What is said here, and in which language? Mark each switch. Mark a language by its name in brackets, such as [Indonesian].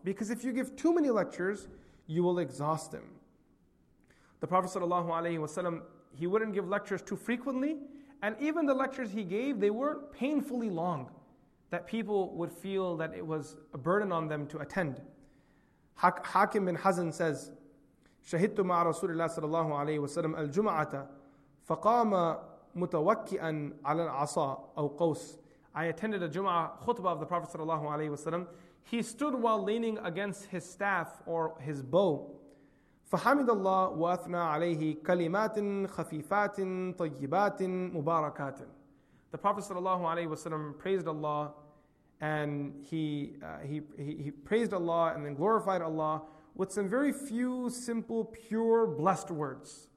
[English] Because if you give too many lectures, you will exhaust them. The Prophet ﷺ, he wouldn't give lectures too frequently. And even the lectures he gave, they weren't painfully long, that people would feel that it was a burden on them to attend. Hakim bin Hazan says, [Arabic] شَهِدْتُ مَعَ رَسُولِ اللَّهِ صَلَى اللَّهُ عَلَيْهِ وَسَلَمَ الْجُمْعَةَ فَقَامَ مُتَوَكِّئًا عَلَى الْعَصَى أَوْ قَوْسِ. [English] I attended a Jum'ah khutbah of the Prophet sallallahu alayhi wasallam. He stood while leaning against his staff or his bow. [Arabic] فَحَمِدَ اللَّهُ وَأَثْنَى عَلَيْهِ كَلِمَاتٍ خَفِيفَاتٍ طَيِّبَاتٍ مُبَارَكَاتٍ. [English] The Prophet sallallahu alayhi wasallam praised Allah and he praised Allah and then glorified Allah with some very few simple, pure, blessed words.